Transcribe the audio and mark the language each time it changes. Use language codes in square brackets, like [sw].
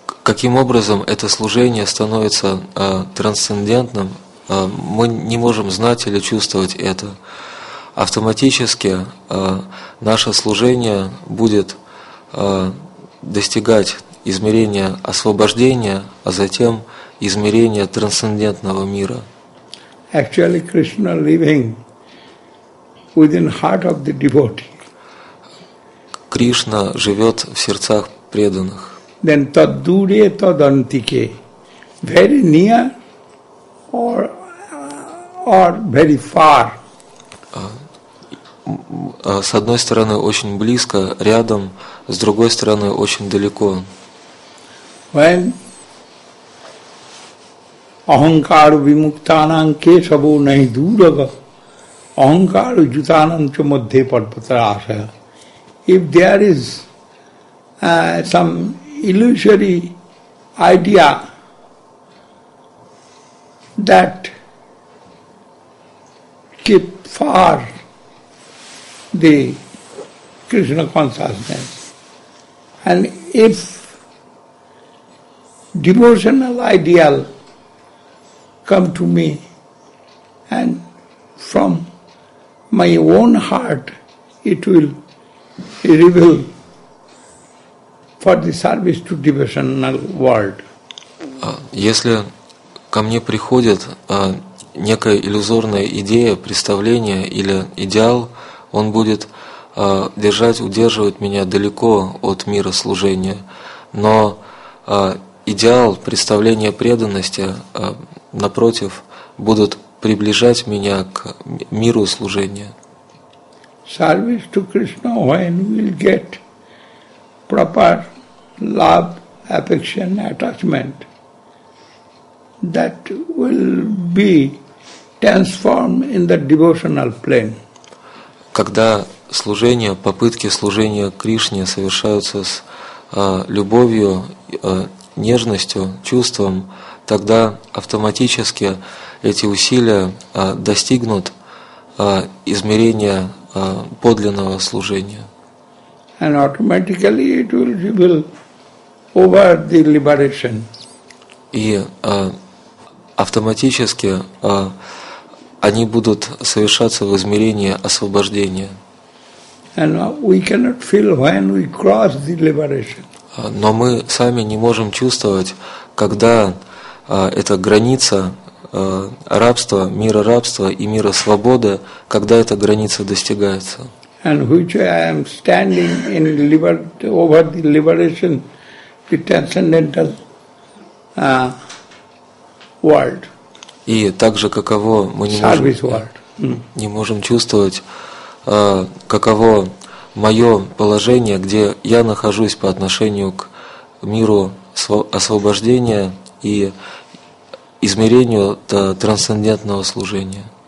[ru] каким образом это служение становится трансцендентным, мы не можем знать или чувствовать это. Автоматически наше служение будет достигать измерения освобождения, а затем измерения трансцендентного мира. [en] Actually, Krishna living within heart of the devotee. [ru] Кришна живет в сердцах преданных. [en] Then [sa] taddure tadantike, [en] very near or very far. [ru] С одной стороны очень близко, рядом, с другой стороны очень далеко. [sa] When ahankar vimuktanam kesavo nahi durava ahankar jutanam cha madhye parvatra asaya. [en] If there is some illusory idea that keep far the Krishna consciousness, and if devotional ideal come to me and from my own heart it will reveal for the service to devotional world. [ru] Если ко мне приходит некая иллюзорная идея, представление или идеал, он будет держать, удерживать меня далеко от мира служения. Но идеал, представление преданности, напротив, будут приближать меня к миру служения. [en] Service to Krishna, when we'll get proper love, affection, attachment, that will be transformed in the devotional plane. [ru] Когда служение, попытки служения Кришне совершаются с любовью, нежностью, чувством, тогда автоматически эти усилия достигнут измерения подлинного служения. [en] And automatically it will reveal over the liberation. [ru] И автоматически они будут совершаться в измерении освобождения. [en] And we cannot feel when we cross the liberation. [ru] Но мы сами не можем чувствовать, когда эта граница рабства, мира рабства и мира свободы, когда эта граница достигается. [en] And which I am standing in over the liberation, the transcendental world. [ru] И также каково мы не можем чувствовать, каково мое положение, где я нахожусь по отношению к миру освобождения и измерению трансцендентного служения.